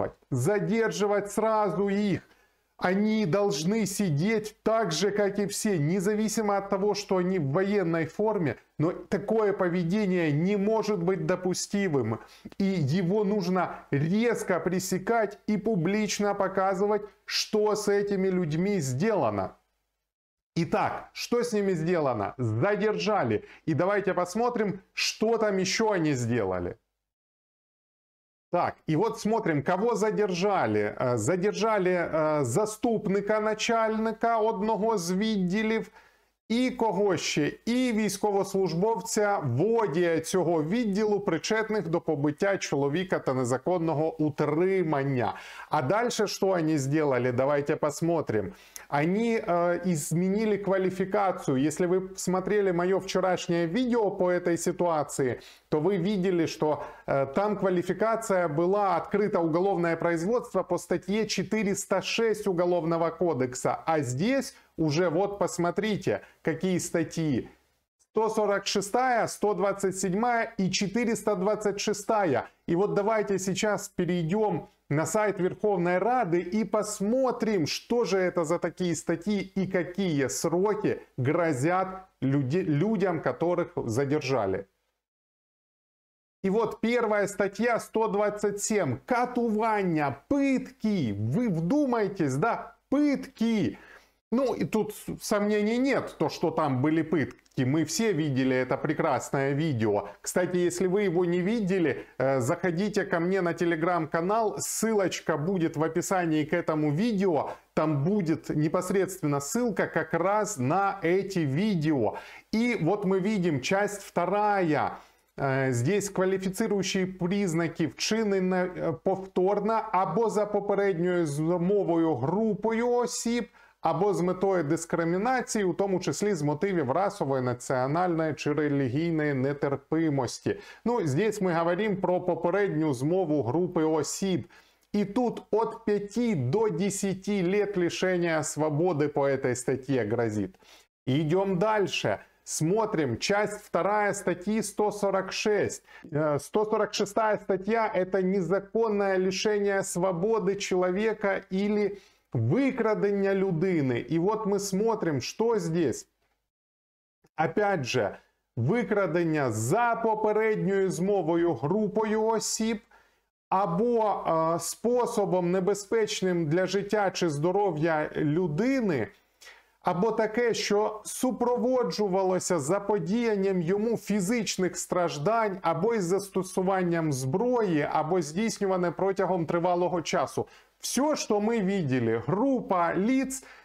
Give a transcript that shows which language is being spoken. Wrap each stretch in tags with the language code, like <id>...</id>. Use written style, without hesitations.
<ru>Задерживать сразу их. Они должны сидеть так же, как и все, независимо от того, что они в военной форме, но такое поведение не может быть допустимым, и его нужно резко пресекать и публично показывать, что с этими людьми сделано. Итак, что с ними сделано? Задержали. И давайте посмотрим, что там еще они сделали. Так, и вот смотрим, кого задержали.</ru> <uk>Задержали заступника начальника одного з відділів, і кого ще, і військовослужбовця, водія цього відділу, причетних до побиття чоловіка та незаконного утримання. А далі, що вони зробили,</uk> <ru>давайте посмотрим.</ru> <uk>Вони змінили кваліфікацію. Якщо ви смотрели моє вчорашнє відео по цій ситуації, то ви бачили, що там кваліфікація була відкрите уголовне производство по статті 406 Уголовного кодексу,</uk> <ru>а тут уже вот посмотрите, какие статьи. 146, 127 и 426. И вот давайте сейчас перейдем на сайт Верховной Рады и посмотрим, что же это за такие статьи и какие сроки грозят людям, которых задержали. И вот первая статья 127. Катування, пытки. Вы вдумайтесь, да, пытки. Ну, и тут сомнений нет, то, что там были пытки. Мы все видели это прекрасное видео. Кстати, если вы его не видели, заходите ко мне на телеграм-канал. Ссылочка будет в описании к этому видео. Там будет непосредственно ссылка как раз на эти видео. И вот мы видим часть вторая. Здесь квалифицирующие признаки</ru> <uk>вчинены повторно або за попередньою змовою групою осіб, або з метою дискримінації, у тому числі з мотивів расової, національної чи релігійної нетерпимості. Ну, здесь ми говоримо про попередню змову групи осіб. І тут від 5 до 10 лет лишення свободи по цій статті грозить. Йдемо далі.</uk> <ru>Смотрим, часть 2 статьи 146. 146 статья – это незаконное лишение свободы человека или</ru> <uk>выкрадення людини.</uk> <ru>И вот мы смотрим, что здесь. Опять же,</ru> <uk>выкрадення за попередньою змовою групою осіб або способом небезпечним для життя чи здоров'я людини, або таке, що супроводжувалося заподіянням йому фізичних страждань або із застосуванням зброї, або здійснюване протягом тривалого часу.</uk> <ru>Все, что мы видели, группа лиц</ru>